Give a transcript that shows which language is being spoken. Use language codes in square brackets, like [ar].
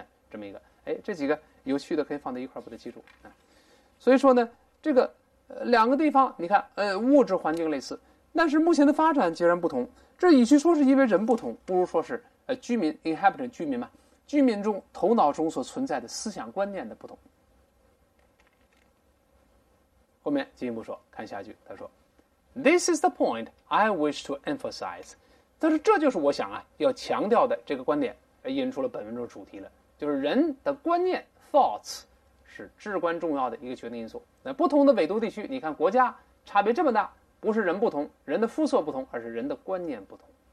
[zh] 这么一个，这几个有趣的可以放在一块儿，把它记住。所以说呢，这个两个地方，你看，物质环境类似，但是目前的发展截然不同。这与其说是因为人不同，不如说是居民 inhabitant 居民嘛，居民中头脑中所存在的思想观念的不同。后面进一步说，看下句，他说。 [en] This is the point I wish to emphasize. [zh] 但是这就是我想啊要强调的这个观点，引出了本文中主题了，就是人的观念 thoughts 是至关重要的一个决定因素。那不同的纬度地区，你看国家差别这么大，不是人不同，人的肤色不同，而是人的观念不同。